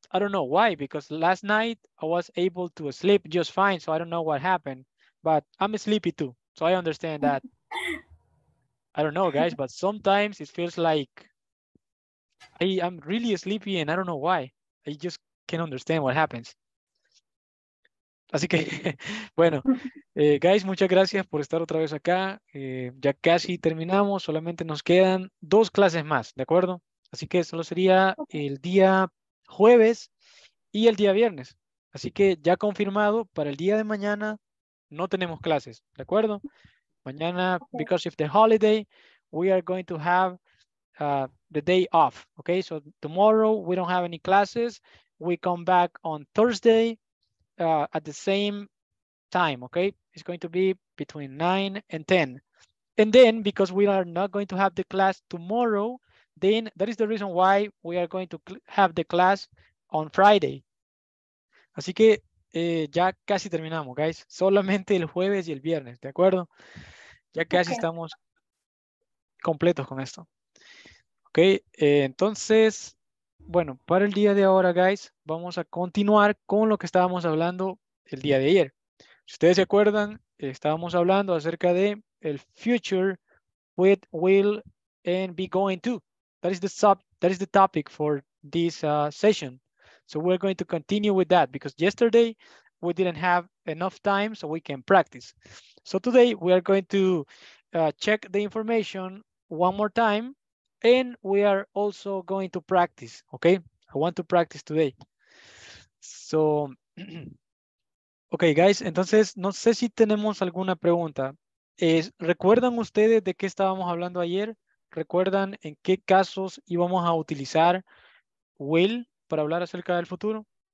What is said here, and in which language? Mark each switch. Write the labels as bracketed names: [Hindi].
[English] I don't know why, because last night I was able to sleep just fine, so I don't know what happened, but I'm sleepy too, so I understand that. I don't know, guys, but sometimes it feels like I'm really sleepy and I don't know why. I just can't understand what happens. [Spanish] Así que, bueno, guys, muchas gracias por estar otra vez acá. Ya casi terminamos, solamente nos quedan dos clases más, ¿de acuerdo? Así que solo sería el día jueves y el día viernes. Así que ya confirmado, para el día de mañana no tenemos clases, ¿de acuerdo? [English] Mañana, because of the holiday, we are going to have the day off, okay? So tomorrow we don't have any classes. We come back on Thursday at the same time, okay? It's going to be between 9 and 10. And then, because we are not going to have the class tomorrow, then that is the reason why we are going to have the class on Friday. [Spanish] Así que ya casi terminamos, guys. Solamente el jueves y el viernes, ¿de acuerdo? Ya casi [English] Okay. [Spanish] estamos completos con esto. Ok, entonces, bueno, para el día de ahora, guys, vamos a continuar con lo que estábamos hablando el día de ayer. Si ustedes se acuerdan, estábamos hablando acerca de el [English] future with will and be going to. That is the topic for this session. So we're going to continue with that because yesterday we didn't have enough time so we can practice. So today we are going to check the information one more time. And we are also going to practice, okay? I want to practice today. So, okay, guys, [Spanish] entonces no sé si tenemos alguna pregunta. ¿Recuerdan ustedes de qué estábamos hablando ayer? ¿Recuerdan en qué casos íbamos a utilizar will para hablar acerca del futuro?